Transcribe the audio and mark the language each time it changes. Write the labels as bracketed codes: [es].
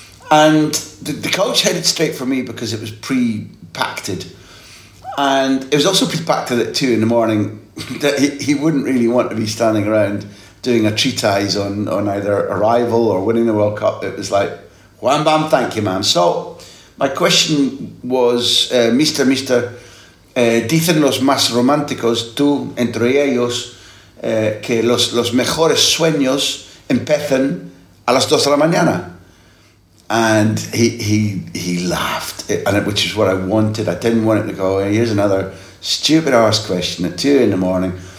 [en] And the coach headed straight for me because it was pre-pacted. And it was also pre-pacted at 2 in the morning that he wouldn't really want to be standing around doing a treatise on either arrival or winning the World Cup. It was like, wham, bam, thank you, man. So my question was, Mister, [es] dicen los más románticos, tú entre ellos, que los mejores sueños empiezan a las 2 de la mañana. [en] And he laughed, which is what I wanted. I didn't want him to go, here's another stupid ass question at 2 in the morning.